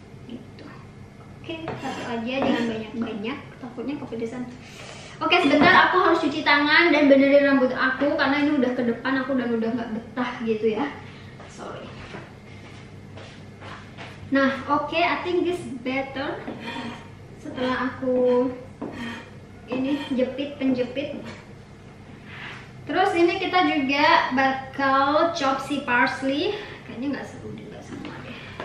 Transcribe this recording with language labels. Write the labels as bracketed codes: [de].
[id] Gitu. Oke, satu aja, jangan banyak-banyak, takutnya kepedesan. Oke, sebentar aku harus cuci tangan dan benerin rambut aku karena ini udah ke depan aku dan udah nggak betah gitu ya. [en] Sorry. [id] Nah, [en] oke, I think this better. [id] Setelah aku ini jepit penjepit. Terus ini kita juga bakal chop si parsley. Kayaknya nggak seru juga semua deh.